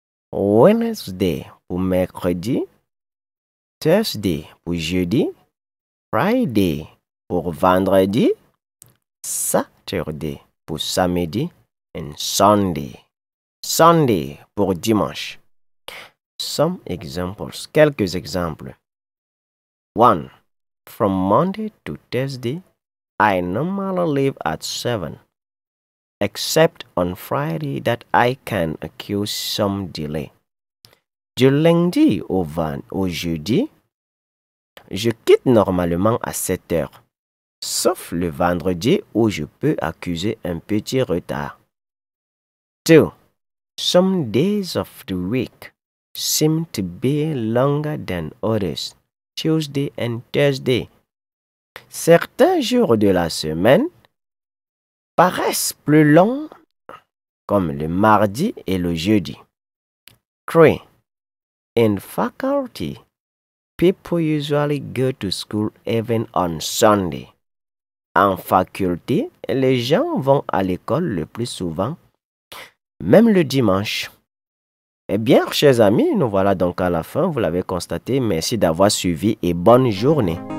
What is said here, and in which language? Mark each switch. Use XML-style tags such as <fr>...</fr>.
<fr>Wednesday pour mercredi, Thursday pour jeudi, Friday pour vendredi, Saturday pour samedi,</fr> <en>and Sunday</en> <fr>pour dimanche.</fr> <en>Some examples,</en> <fr>quelques exemples.</fr> <en>1. From Monday to Thursday, I normally leave at 7. Except on Friday that I can accuse some delay.</en> <fr>Du lundi au jeudi, je quitte normalement à 7 heures, sauf le vendredi où je peux accuser un petit retard. 2.</fr> <en>Some days of the week seem to be longer than others, Tuesday and Thursday.</en> <fr>Certains jours de la semaine paraissent plus longs, comme le mardi et le jeudi. 3.</fr> <en>In faculty, people usually go to school even on Sunday.</en> <fr>En faculté, les gens vont à l'école le plus souvent, même le dimanche. Eh bien, chers amis, nous voilà donc à la fin. Vous l'avez constaté. Merci d'avoir suivi et bonne journée.</fr>